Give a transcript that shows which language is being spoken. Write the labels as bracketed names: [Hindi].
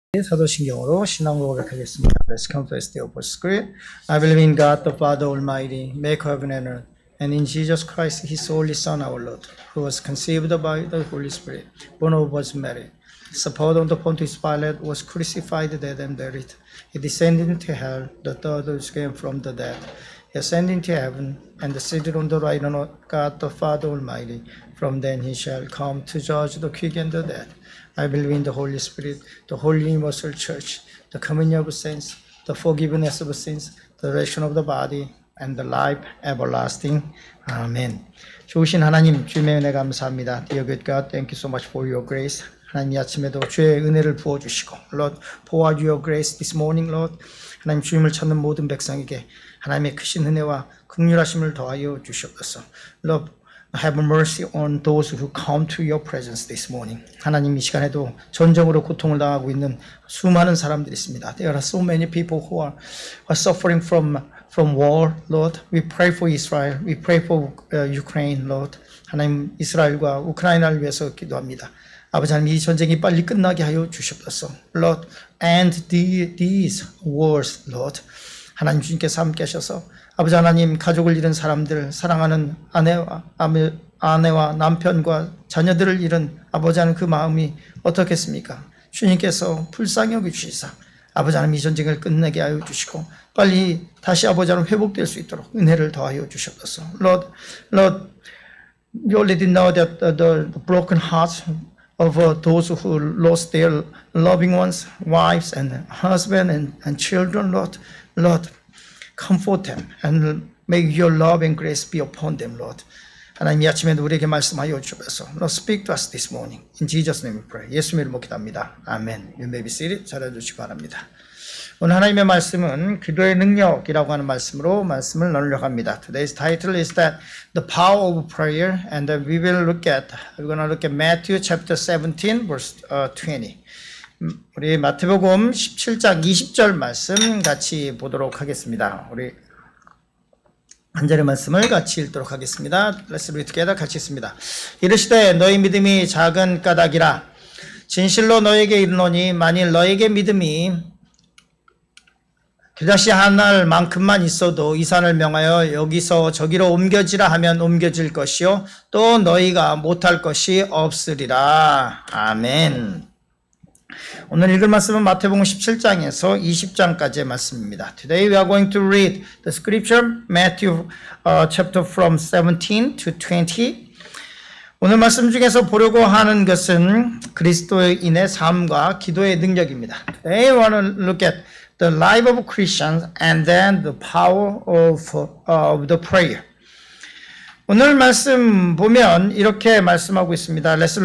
[Korean] 사도신경으로 신앙 고백하겠습니다. [English] Let's confess the Apostles' Creed. I believe in God, the Father Almighty, maker of heaven and earth, and in Jesus Christ, his only Son, our Lord, who was conceived by the Holy Spirit, born of Virgin Mary, suffered under Pontius Pilate, was crucified, dead, and buried. He descended into hell, the third day came from the dead. He ascended into heaven, and seated on the right hand of God, the Father Almighty. From then he shall come to judge the quick and the dead. I believe in the Holy Spirit, the Holy Universal Church, the communion of saints, the forgiveness of sins, the resurrection of the body, and the life everlasting. Amen. [Korean] 좋으신 하나님, 주님의 은혜 감사합니다. [English] Dear good God, thank you so much for your grace. [Korean] 하나님 아침에도 주의 은혜를 부어주시고, [English] Lord, pour your grace this morning, Lord. [Korean] 하나님 주님을 찾는 모든 백성에게 하나님의 크신 은혜와 긍휼하심을 더하여 주시옵소서. [English] Lord, Have mercy on those who come to your presence this morning. [Korean] 하나님 이 시간에도 전쟁으로 고통을 당하고 있는 수많은 사람들이 있습니다. [English] There are so many people who are suffering from war, Lord. We pray for Israel. We pray for Ukraine, Lord. [Korean] 하나님 이스라엘과 우크라이나를 위해서 기도합니다. 아버지 하나님 이 전쟁이 빨리 끝나게 하여 주시옵소서. [English] Lord, end these wars, Lord. [Korean] 하나님 주님께서 함께 하셔서 아버지 하나님 가족을 잃은 사람들, 사랑하는 아내와 남편과 자녀들을 잃은 아버지 하나님 그 마음이 어떻겠습니까? 주님께서 불쌍히 여겨주시사 아버지 하나님 이 전쟁을 끝내게 하여 주시고 빨리 다시 아버지 하나님 회복될 수 있도록 은혜를 더하여 주셨소서. [English] Lord, you already know that the broken hearts of those who lost their loving ones, wives and husband and children, Lord. Comfort them and make your love and grace be upon them, Lord. [Korean] 하나님 이 아침에도 우리에게 말씀하여 주옵소서. [English] Lord, speak to us this morning. In Jesus' name we pray. [Korean] 예수님 이름으로 기도합니다. [English] Amen. You may be seated. [Korean] 자라주시기 바랍니다. 오늘 하나님의 말씀은 기도의 능력이라고 하는 말씀으로 말씀을 나누려고 합니다. [English] Today's title is that the power of prayer and we will look at, we're going to look at Matthew chapter 17 verse 20. [Korean] 우리 마태복음 17장 20절 말씀 같이 보도록 하겠습니다. 우리 한 절의 말씀을 같이 읽도록 하겠습니다. [English] Let's read together [Korean] 같이 읽습니다. 이르시되 너희 믿음이 작은 까닭이라 진실로 너에게 이르노니 만일 너에게 믿음이 겨자씨 하나만큼만 있어도 이 산을 명하여 여기서 저기로 옮겨지라 하면 옮겨질 것이요 또 너희가 못할 것이 없으리라. 아멘. 오늘 읽을 말씀은 마태복음 17장에서 20장까지의 말씀입니다. [English] Today we are going to read the scripture Matthew chapter from 17 to 20. [Korean] 오늘 말씀 중에서 보려고 하는 것은 그리스도인의 삶과 기도의 능력입니다. [English] Today we want to look at the life of Christians and then the power of the prayer. [Korean] 오늘 말씀 보면 이렇게 말씀하고 있습니다.